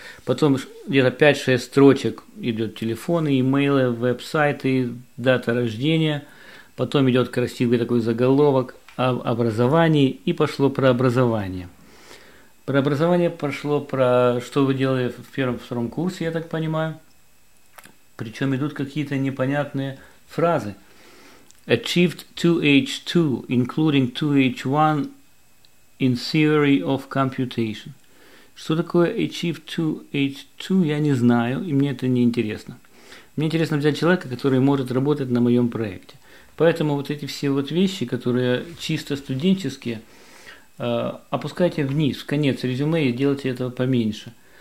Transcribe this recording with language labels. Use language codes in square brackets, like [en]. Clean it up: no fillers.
[ru] Потом где-то 5-6 строчек идет телефоны, имейлы, веб-сайты, дата рождения. Потом идет красивый такой заголовок об образовании и пошло про образование. Про образование пошло про что вы делали в первом-втором курсе, я так понимаю. Причем идут какие-то непонятные фразы. [en] Achieved 2H2, including 2H1 in theory of computation. [ru] Что такое [en] achieved 2H2, [ru] я не знаю, и мне это не интересно. Мне интересно взять человека, который может работать на моем проекте. Поэтому вот эти все вот вещи, которые чисто студенческие, опускайте вниз, в конец резюме, и делайте этого поменьше.